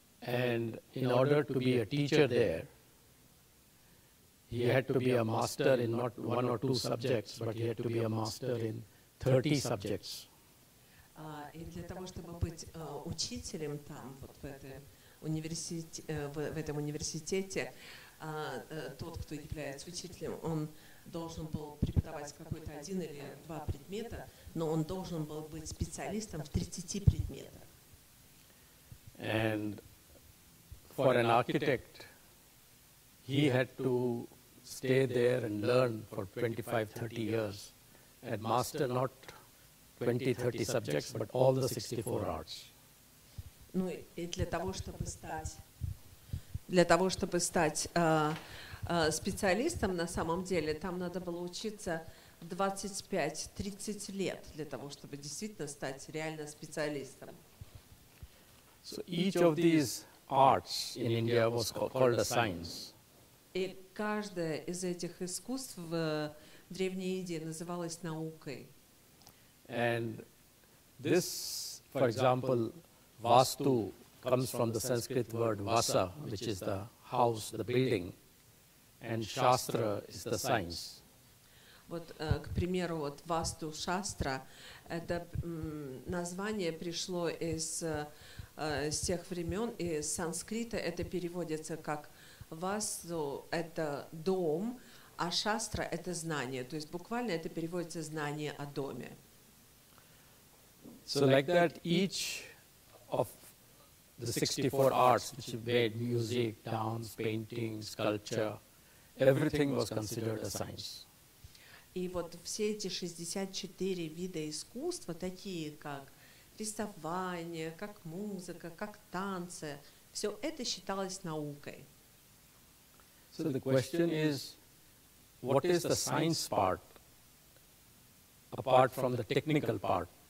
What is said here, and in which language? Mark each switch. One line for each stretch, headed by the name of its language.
English: And in order to be a teacher there, he had to be a master in not one or two subjects, but he had to be a master in 30 subjects.
Russian: И для того, чтобы быть учителем там, вот в, этой университете, в этом университете, тот, кто является учителем, он должен был преподавать какой-то один или два предмета, но он должен был быть специалистом в 30 предметах.
English: And for an architect, he had to stay there and learn for 25-30 years and master not 20-30 subjects, but all the 64 arts.
Russian: Ну и для того, чтобы стать специалистом, на самом деле, там надо было учиться 25-30 лет для того, чтобы действительно стать реально специалистом.
English: So each of these arts in India was called a science.
Russian: И каждое из этих искусств в Древней Индии называлось наукой.
English: And this, for example, vastu comes from the Sanskrit word vasa, which is the house, the building, and shastra is the science.
Russian: Вот, к примеру, вот vastu, shastra, это название пришло из тех времен, и с санскрита это переводится как vastu – это дом, а shastra – это знание. То есть буквально это переводится знание о доме.
English: So like that, each of the 64 arts, which made music, dance, painting, sculpture, everything was considered a science.
Russian: И вот все эти 64 вида искусства, такие как рисование, как музыка, как танцы, все это считалось наукой.
English: So the question is, what is the science part, apart from the technical part?